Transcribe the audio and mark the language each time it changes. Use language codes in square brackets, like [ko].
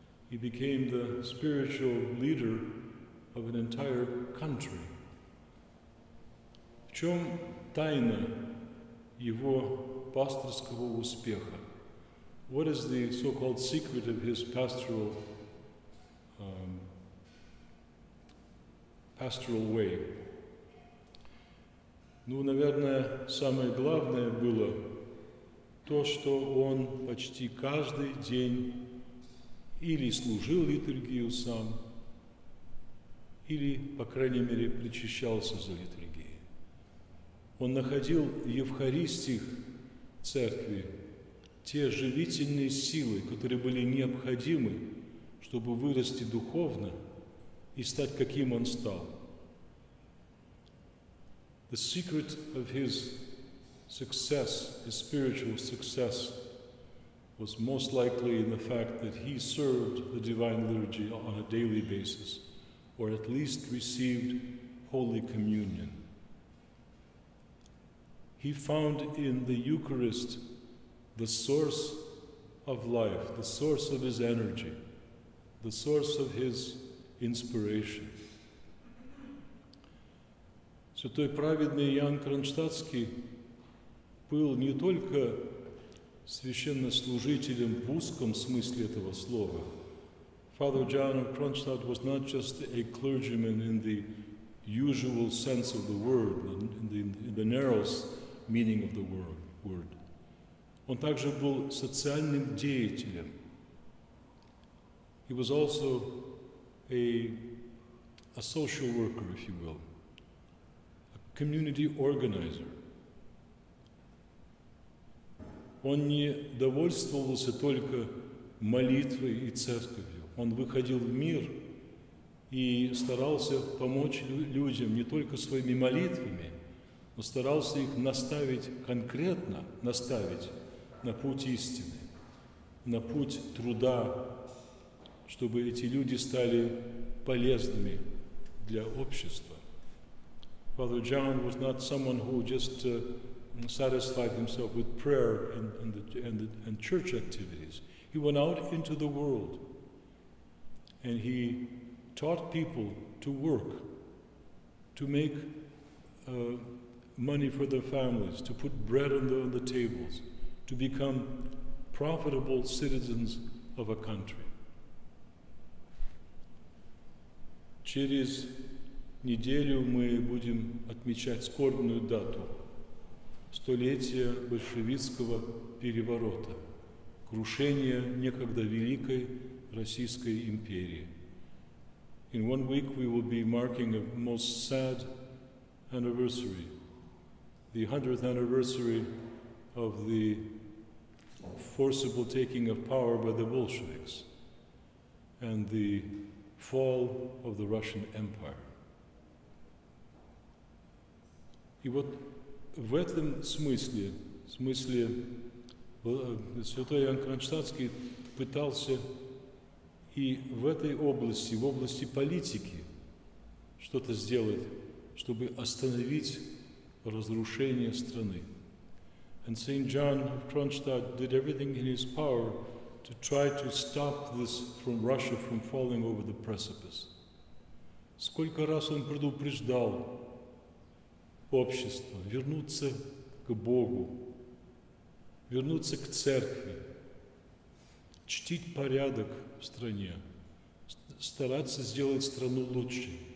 [en] He became the spiritual leader of an entire country. [ru] В чем тайна его пасторского успеха? [en] What is the so-called secret of his pastoral pastoral way? [ru] Ну, наверное, самое главное было то, что он почти каждый день или служил литургию сам, или, по крайней мере, причащался за литургией. Он находил в Евхаристиях Церкви те живительные силы, которые были необходимы, чтобы вырасти духовно и стать, каким он стал. [en] The secret of his success, his spiritual success, was most likely in the fact that he served the Divine Liturgy on a daily basis, or at least received Holy Communion. He found in the Eucharist the source of life, the source of his energy, the source of his inspiration. [ru] Святой праведный Иоанн Кронштадтский был не только священнослужителем в узком смысле этого слова. [en] Father John of Kronstadt was not just a clergyman in the usual sense of the word, in the narrowest meaning of the word. [ru] Он также был социальным деятелем. [en] He was also a social worker, if you will, a community organizer. [ru] Он не довольствовался только молитвой и церковью. Он выходил в мир и старался помочь людям не только своими молитвами, но старался их наставить конкретно, наставить на путь истины, на путь труда, чтобы эти люди стали полезными для общества. [en] Father John was not someone who just satisfied himself with prayer and church activities. He went out into the world. And he taught people to work, to make money for their families, to put bread on the tables, to become profitable citizens of a country. [ru] Через неделю мы будем отмечать скорбную дату – столетие большевистского переворота, крушение некогда великой Российской империи. [en] In 1 week we will be marking a most sad anniversary, the 100th anniversary of the forcible taking of power by the Bolsheviks and the fall of the Russian Empire. [ru] И вот в этом смысле, святой Иоанн Кронштадтский пытался и в этой области, в области политики, что-то сделать, чтобы остановить разрушение страны. [en] And Saint John of Kronstadt did everything in his power to try to stop this from Russia from falling over the precipice. [ru] Сколько раз он предупреждал общество вернуться к Богу, вернуться к церкви, чтить порядок в стране, стараться сделать страну лучше.